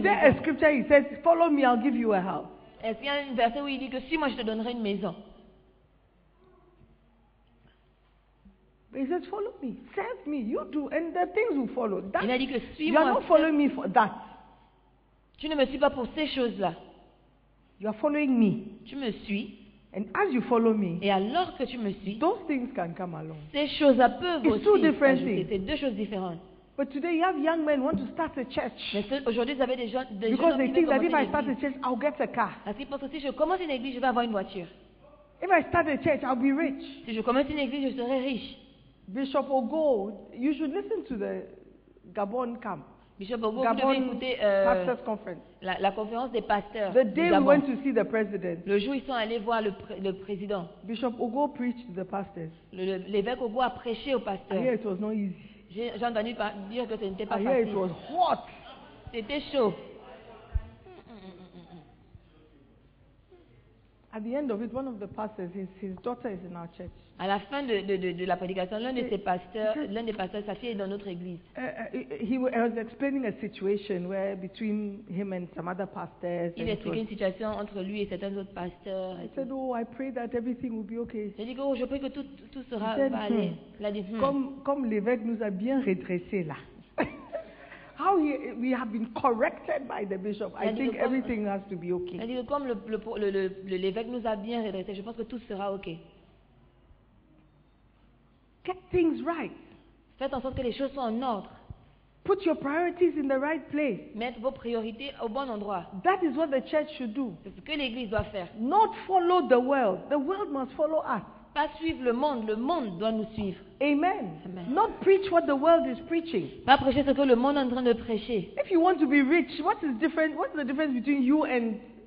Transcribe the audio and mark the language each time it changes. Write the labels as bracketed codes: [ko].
[fr] maison. [en] Is there a scripture he says, "Follow me, I'll give you a house"? [fr] Est-ce qu'il y a un verset où il dit que suis-moi, je te donnerai une maison? [en] He says, "Follow me, serve me, you do, and the things will follow." [fr] Il a dit que suis-moi. [en] You are not following me for that. [fr] Tu ne me suis pas pour ces choses-là. [en] You are following me. [fr] Tu me suis. [en] And as you follow me, [fr] et alors que tu me suis, [en] those things can come along. [fr] Ces choses-là peuvent [en] It's [fr] aussi. [en] It's two different things. [fr] C'est deux choses différentes. [en] But today you have young men who want to start a church. [fr] Mais aujourd'hui, vous avez des jeunes hommes qui veulent commencer une église. [en] Because they think that if I start a church, I'll get a car. [fr] Parce qu'ils pensent que si je commence une église, je vais avoir une voiture. [en] If I start a church, I'll be rich. [fr] Si je commence une église, je serai riche. [en] Bishop Ogo, you should listen to the Gabon camp. [fr] Bishop Ogo, Gabon vous devez écouter [en] pastors conference. [fr] La conférence des pasteurs. [en] The day we went to see the president. [fr] Le jour où ils sont allés voir le président. [en] Bishop Ogo preached to the pastors. [fr] L'évêque Ogo a prêché aux pasteurs. [en] I hear it was not easy. [fr] J'ai entendu dire que ce n'était pas [en] I hear [fr] facile. [en] It was hot. [fr] C'était chaud. [en] At the end of it, one of the pastors, his daughter is in our church. [fr] À la fin de la prédication, l'un des pasteurs, sa fille est dans notre église. [en] He was explaining a situation where between him and some other pastors. [fr] Il expliquait une situation entre lui et certains autres pasteurs. [en] I said, "Oh, I pray that everything will be okay." [fr] J'ai dit, "Oh, je prie que tout sera allé." Il a dit, Comme l'évêque nous a bien redressé là. [en] How we have been corrected by the bishop. I think everything has to be okay. [fr] Elle dit que comme le l'évêque nous a bien redressé, je pense que tout sera okay. [en] Get things right. [fr] Faites en sorte que les choses soient en ordre. [en] Put your priorities in the right place. [fr] Mettez vos priorités au bon endroit. [en] That is what the church should do. [fr] C'est ce que l'église doit faire. [en] Not follow the world. The world must follow us. [fr] Pas suivre le monde doit nous suivre. Amen. Amen. [en] Not preach what the world is preaching. [fr] Pas prêcher ce que le monde est en train de prêcher. [en] If you want to be rich, what is the difference between you and